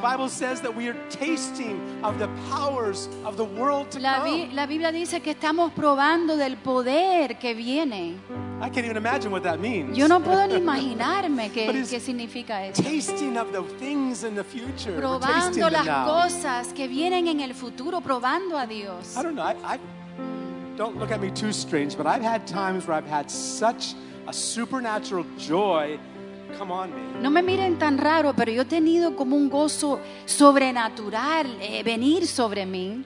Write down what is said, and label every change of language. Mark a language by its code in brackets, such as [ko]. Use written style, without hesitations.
[en] The Bible says that we are tasting of the powers of the world to [es] La Biblia dice que estamos probando del poder que viene. [en] I can't even imagine what that means. [es] Yo no puedo ni imaginarme qué significa eso. [en] Tasting of the things in the future. [es] Probando las [en] now. [es] Cosas que vienen en el futuro, probando a Dios. [en] I don't know. I don't look at me too strange, but I've had times where I've had such a supernatural joy come on me. [es] No me miren tan raro, pero yo he tenido como un gozo sobrenatural venir sobre mí.